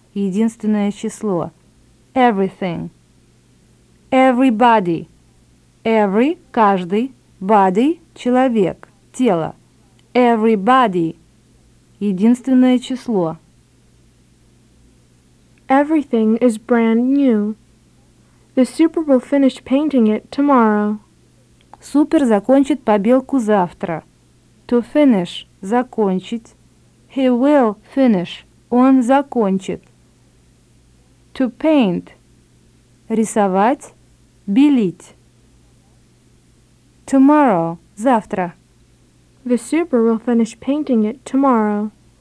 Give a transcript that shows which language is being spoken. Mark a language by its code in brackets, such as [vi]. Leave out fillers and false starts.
[ru] Единственное число. [en] Everything. Everybody. Every. [ru] Каждый. [en] Body. [ru] Человек. Тело. [en] Everybody. [ru] Единственное число. [en] Everything is brand new. The super will finish painting it tomorrow. [ru] Супер закончит побелку завтра. [en] To finish – [ru] закончить. [en] He will finish – [ru] он закончит. [en] To paint [ru] – рисовать, белить. [en] Tomorrow [ru] – завтра. [en] The super will finish painting it tomorrow.